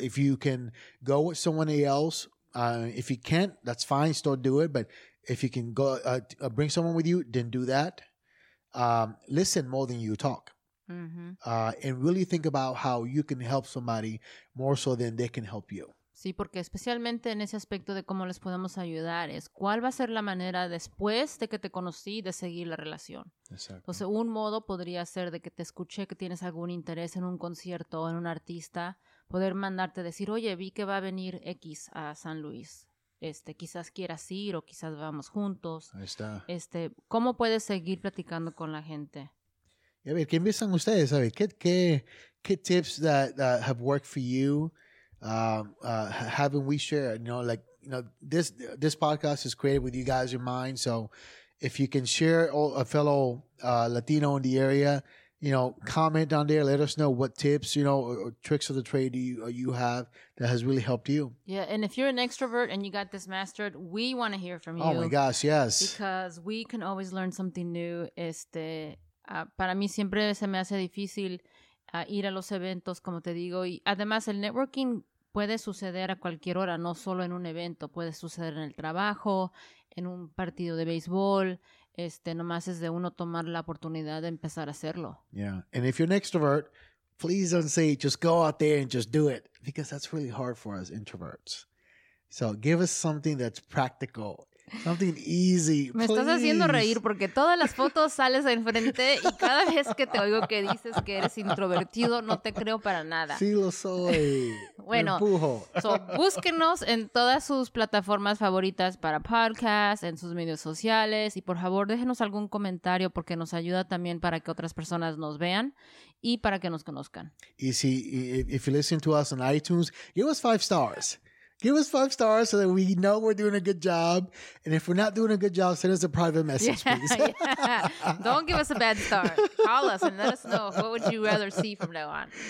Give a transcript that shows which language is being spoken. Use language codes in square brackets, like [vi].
[en] If you can go with someone else, if you can't, that's fine. Still do it. But if you can go bring someone with you, then do that. Listen more than you talk, and really think about how you can help somebody more so than they can help you. [es] Sí, porque especialmente en ese aspecto de cómo les podemos ayudar es cuál va a ser la manera después de que te conocí de seguir la relación. Exacto. Entonces, un modo podría ser de que te escuché que tienes algún interés en un concierto o en un artista, poder mandarte decir, oye, vi que va a venir X a San Luis. Quizás quieras ir o quizás vamos juntos. Ahí está. ¿Cómo puedes seguir platicando con la gente? Y a ver, ¿qué empiezan ustedes? A ver, ¿qué [en] tips that have worked for you? Haven't we shared? This podcast is created with you guys in mind. So if you can share a fellow Latino in the area, you know, comment down there. Let us know what tips, you know, or tricks of the trade you have that has really helped you. Yeah, and if you're an extrovert and you got this mastered, we want to hear from you. Oh, my gosh, yes. Because we can always learn something new. [es] Para mí siempre se me hace difícil ir a los eventos, como te digo. Y además, el networking puede suceder a cualquier hora, no solo en un evento. Puede suceder en el trabajo, en un partido de béisbol. Nomás es de uno tomar la oportunidad de empezar a hacerlo. [en] Yeah. And if you're an extrovert, please don't say, just go out there and just do it. Because that's really hard for us introverts. So give us something that's practical. Something easy. [es] Me estás haciendo reír porque todas las fotos sales enfrente y cada vez que te oigo que dices que eres introvertido, no te creo para nada. Sí lo soy. Bueno, so, búsquenos en todas sus plataformas favoritas para podcast, en sus medios sociales y por favor déjenos algún comentario porque nos ayuda también para que otras personas nos vean y para que nos conozcan. Y si, [en] if you listen to us on iTunes, give us 5 stars. Give us 5 stars so that we know we're doing a good job. And if we're not doing a good job, send us a private message, please. Yeah. Don't give us a bad start. Call us and let us know what would you rather see from now on.